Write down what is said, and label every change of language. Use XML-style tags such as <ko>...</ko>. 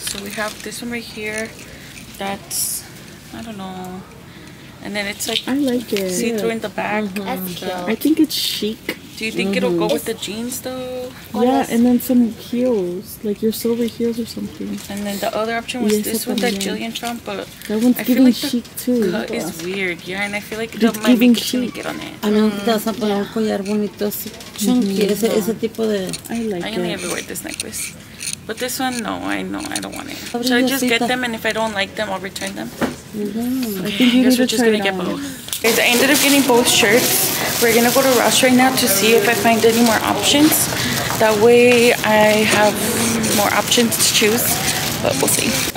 <en>So we have this one right here that's, I don't know, and then it's like, I like it, see through in the back. Mm-hmm. I think it's chic. Do you think it'll go with the jeans though? Yeah, and then some heels, like your silver heels or something. And then the other option was this one that Jillian found, but that one's giving chic too. Cut is weird, yeah, and I feel like it might be chic on it.</en> <es>A mí me gusta poner un collar bonito, chunky, ese tipo de.</es> <en>I like it. I only ever wear this necklace. But this one, no, I know, I don't want it. Should I just get them, and if I don't like them, I'll return them? Okay, I think you need to try it on. I guess we're just gonna get both. Guys, I ended up getting both shirts. We're gonna go to Ross right now to see if I find any more options. That way I have more options to choose, but we'll see.</en>